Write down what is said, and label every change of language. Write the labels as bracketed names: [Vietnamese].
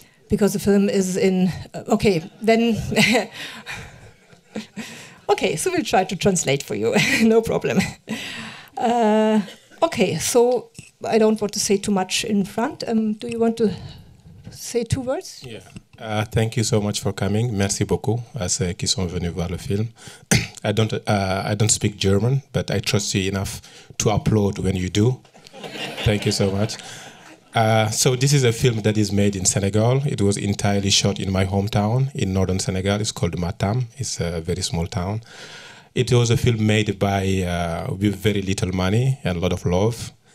[English] Because the film is in... okay, then... okay, so we'll try to translate for you. No problem. So I don't want to say too much in front. Do you want to... say two words? Yeah. Thank you so much for coming. [French] Merci beaucoup à ceux qui sont venus voir le film. [English] I don't speak German, but I trust you enough to applaud when you do. Thank you so much. So this is a film that is made in Senegal. It was entirely shot in my hometown in northern Senegal. It's called Matam. It's a very small town. It was a film made by with very little money and a lot of love.